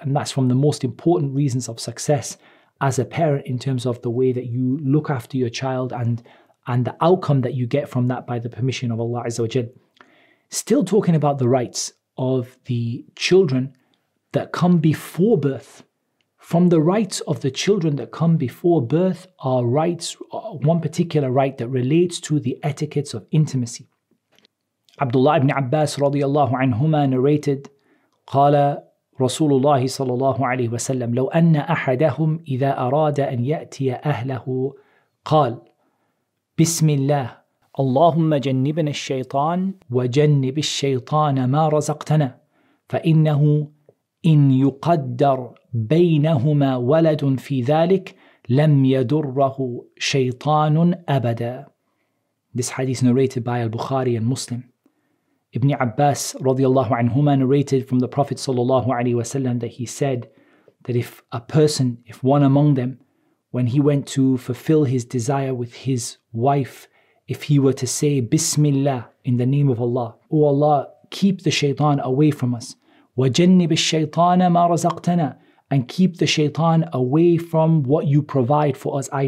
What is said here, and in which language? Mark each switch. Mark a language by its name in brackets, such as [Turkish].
[English] And that's from the most important reasons of success as a parent in terms of the way that you look after your child and the outcome that you get from that by the permission of Allah Azza wa Jal. Still talking about the rights of the children that come before birth. From the rights of the children that come before birth are rights, one particular right that relates to the etiquettes of intimacy. Abdullah ibn Abbas radiallahu anhuma narrated, [Arabic] قال رسول الله صلى الله عليه وسلم لو أن أحدهم إذا أراد أن يأتي أهله قال بسم الله اللهم جنبنا الشيطان وجنب الشيطان ما رزقتنا فإنه إن يقدر بينهما ولد في ذلك لم يدره شيطان أبدا. [English] This hadith narrated by Al-Bukhari and Muslim. Ibn Abbas radiallahu anhuma narrated from the Prophet sallallahu alaihi wasallam that he said that if one among them, when he went to fulfill his desire with his wife, if he were to say Bismillah, in the name of Allah, O Allah, keep the shaytan away from us, [Arabic] وَجَنِّبِ الشَّيْطَانَ مَا رَزَقْتَنَا, [English] and keep the shaytan away from what you provide for us, i.e.